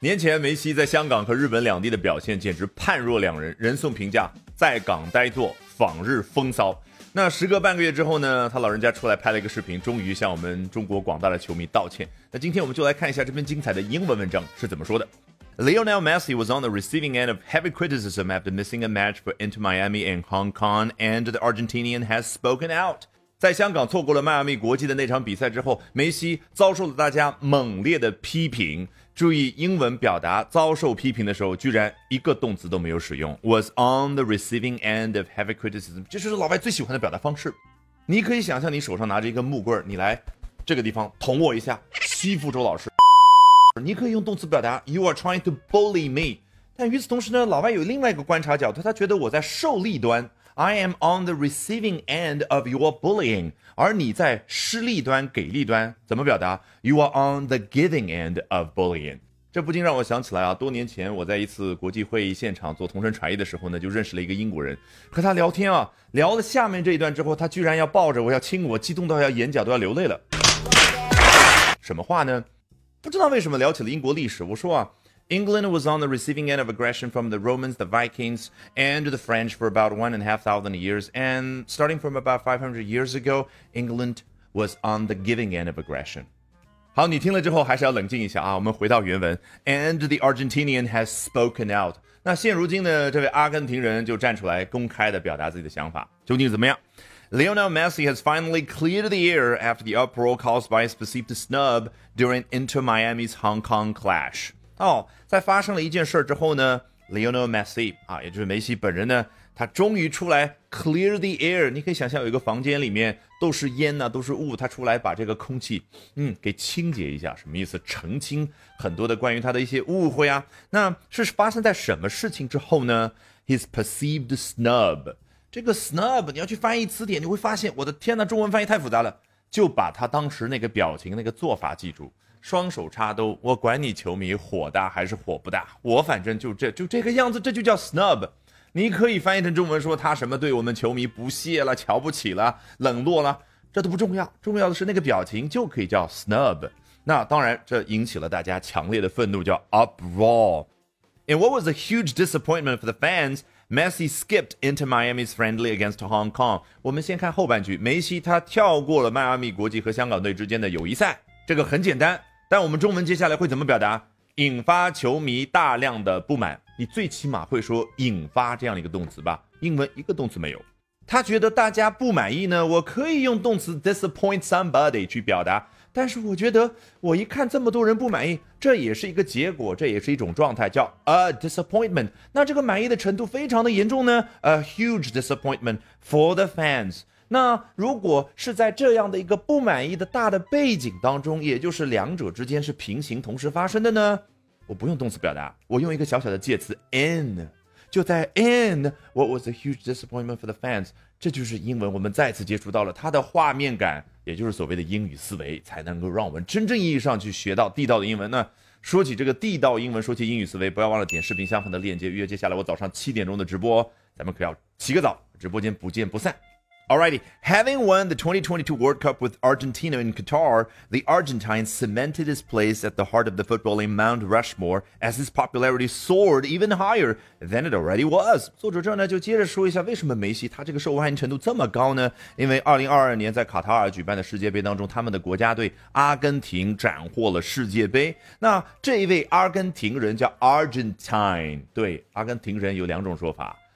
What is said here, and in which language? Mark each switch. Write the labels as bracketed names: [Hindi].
[Chinese] 年前梅西在香港和日本两地的表现简直判若两人，人送评价在港呆坐访日风骚。那时隔半个月之后呢，他老人家出来拍了一个视频，终于向我们中国广大的球迷道歉。那今天我们就来看一下这篇精彩的英文文章是怎么说的。 [English] Lionel Messi was on the receiving end of heavy criticism after missing a match for Inter Miami in Hong Kong, and the Argentinian has spoken out. [Chinese] 在香港错过了迈阿密国际的那场比赛之后，梅西遭受了大家猛烈的批评。注意英文表达遭受批评的时候，居然一个动词都没有使用。 [English] Was on the receiving end of heavy criticism. [Chinese] 这就是老外最喜欢的表达方式。你可以想象你手上拿着一个木棍，你来这个地方捅我一下，欺负周老师。你可以用动词表达 [English] You are trying to bully me. [Chinese] 但与此同时呢，老外有另外一个观察角度，他觉得我在受力端。 [English] I am on the receiving end of your bullying. [Chinese] 而你在施力端给力端怎么表达？ [English] You are on the giving end of bullying. [Chinese] 这不禁让我想起来啊，多年前我在一次国际会议现场做同声传译的时候呢，就认识了一个英国人，和他聊天啊，聊了下面这一段之后，他居然要抱着我要亲我，激动到要眼角都要流泪了。什么话呢？不知道为什么聊起了英国历史，我说啊， [English] England was on the receiving end of aggression from the Romans, the Vikings, and the French for about 1,500 years. And starting from about 500 years ago, England was on the giving end of aggression. [Chinese] 好，你听了之后还是要冷静一下啊。我们回到原文。 [English] And the Argentinian has spoken out. [Chinese] 那现如今的这位阿根廷人就站出来公开的表达自己的想法。究竟怎么样？ [English] Lionel Messi has finally cleared the air after the uproar caused by his perceived snub during Inter Miami's Hong Kong clash. [Chinese] 在发生了一件事之后呢 ,Lionel Messi, 啊也就是梅西本人呢，他终于出来 [English] clear the air, [Chinese] 你可以想象有一个房间里面都是烟啊都是雾，他出来把这个空气给清洁一下，什么意思？澄清很多的关于他的一些误会啊。那是发生在什么事情之后呢 ? [English] His perceived snub, [Chinese] 这个 snub, 你要去翻译词典，你会发现我的天哪，中文翻译太复杂了，就把他当时那个表情那个做法记住。双手插兜，我管你球迷火大还是火不大，我反正就这个样子，这就叫 snub。你可以翻译成中文说他什么对我们球迷不屑了，瞧不起了，冷落了，这都不重要，重要的是那个表情就可以叫 snub。那当然这引起了大家强烈的愤怒，叫 uproar。 [English] In what was a huge disappointment for the fans, Messi skipped into Miami's friendly against Hong Kong. [Chinese] 我们先看后半句，梅西他跳过了迈阿密国际和香港队之间的友谊赛，这个很简单，但我们中文接下来会怎么表达？引发球迷大量的不满。你最起码会说引发这样一个动词吧，英文一个动词没有。他觉得大家不满意呢，我可以用动词 [English] disappoint somebody [Chinese] 去表达，但是我觉得我一看这么多人不满意，这也是一个结果，这也是一种状态，叫 [English] a disappointment。 [Chinese] 那这个满意的程度非常的严重呢， [English] a huge disappointment for the fans。 [Chinese] 那如果是在这样的一个不满意的大的背景当中，也就是两者之间是平行同时发生的呢，我不用动词表达，我用一个小小的介词 in， 就在 [English] in what was a huge disappointment for the fans。 [Chinese] 这就是英文，我们再次接触到了它的画面感，也就是所谓的英语思维，才能够让我们真正意义上去学到地道的英文呢。说起这个地道英文，说起英语思维，不要忘了点视频下方的链接预约接下来我早上7点钟的直播，咱们可要起个早，直播间不见不散。 [English] Alrighty, having won the 2022 World Cup with Argentina in Qatar, the Argentine cemented his place at the heart of the footballing Mount Rushmore as his popularity soared even higher than it already was. [Chinese] 作者这呢就接着说一下为什么梅西他这个受欢迎程度这么高呢？因为2022年在卡塔尔举办的世界杯当中，他们的国家队阿根廷斩获了世界杯。那这一位阿根廷人叫 Argentine, 对，阿根廷人有两种说法。